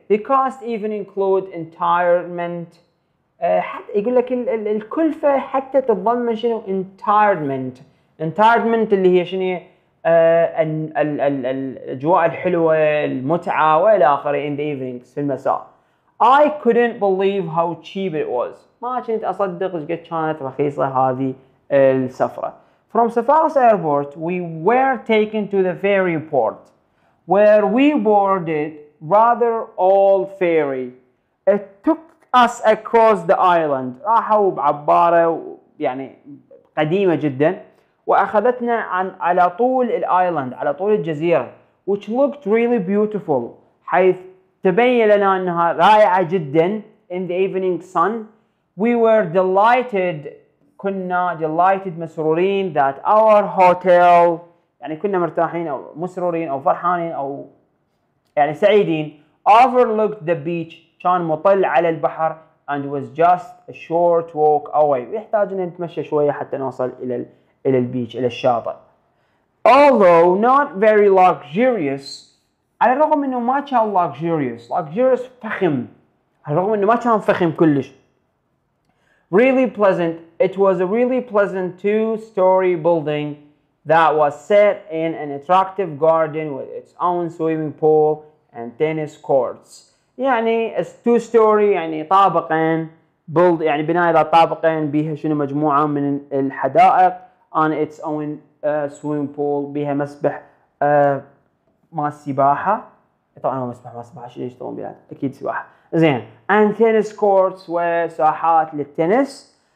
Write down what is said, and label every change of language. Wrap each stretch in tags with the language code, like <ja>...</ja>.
<en>the cost even include entertainment</en> <ar>يقول لك الكلفة حتى تضمن شنو entertainment اللي هي شنو الأجواء الحلوة المتعة وإلى آخره</ar> <en>in the evenings</en> <ar>في المساء.</ar> <en>I couldn't believe how cheap it was</en> <ar>ما كنت أصدق قد كانت رخيصة هذه السفرة.</ar> <en>From Safaris Airport we were taken to the ferry port where we boarded rather old ferry. It took us across the island</en> <ar>راحوا بعبارة يعني قديمة جدا وأخذتنا عن على طول الايلاند على طول الجزيرة</ar> <en>which looked really beautiful</en> <ar>حيث تبين لنا أنها رائعة جدا</ar> <en>in the evening sun We were delighted.</en> <ar>كنا</ar> <en>delighted</en> <ar>مسرورين</ar> <en>that our hotel.</en> <ar>يعني كنا مرتاحين أو مسرورين أو فرحانين أو يعني سعيدين.</ar> <en>Overlooked the beach.</en> <ar>كان مطل على البحر.</ar> <en>And was just a short walk away.</en> <ar>يحتاج أن نتمشى شوية حتى نوصل إلى إلى البيتش إلى الشاطئ.</ar> <en>Although not very luxurious.</en> <ar>على الرغم أنه ما كان luxurious. Luxurious فخم. على الرغم أنه ما كان فخم كلش.</ar> <en>Really pleasant. It was a really pleasant two-story building that was set in an attractive garden with its own swimming pool and tennis courts.</en> <ar>يعني</ar> <en>it's two-story</en> <ar>يعني طابقين build يعني بناية طابقين بها شنو مجموعة من الحدائق</ar> <en>on its own swimming pool</en> <ar>بها مسبح ما السباحة طبعا هو مسبح ما السباحة شنو يشتغلون بها أكيد سباحة زين</ar> <en>and tennis courts</en> <ar>وساحات للتنس.</ar>